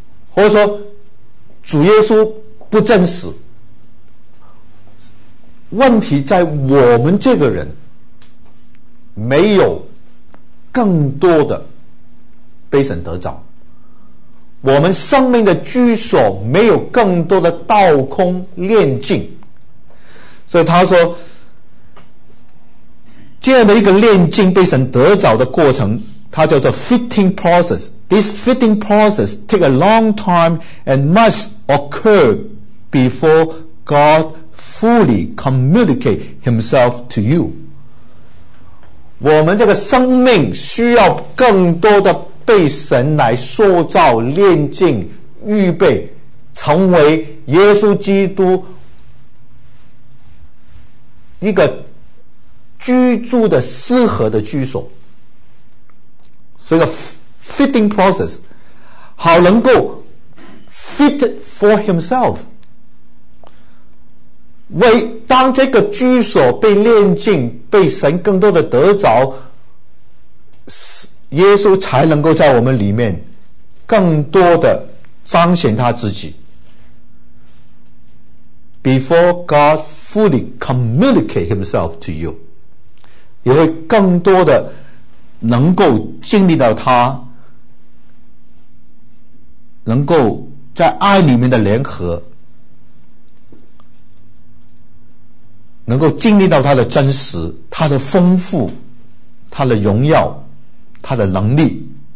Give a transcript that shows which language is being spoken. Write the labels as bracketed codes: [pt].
[zh] 或者说主耶稣不真实，问题在我们这个人没有更多的被神得着，我们生命的居所没有更多的倒空炼净。所以他说这样的一个炼净被神得着的过程，它叫做 fitting process。 [en] This fitting process take a long time and must occur before God fully communicate himself to you。 [zh] 我们这个生命需要更多的被神来塑造、炼净、预备，成为耶稣基督一个居住的适合的居所，是个 fitting process， 好能够 [en] fit for himself。 [zh] 为当这个居所被炼净、被神更多的得着，耶稣才能够在我们里面更多的彰显他自己。 [en] Before God fully communicate himself to you， [zh] 也会更多的能够经历到他能够在爱里面的联合，能够经历到他的真实，他的丰富，他的荣耀，他的能力。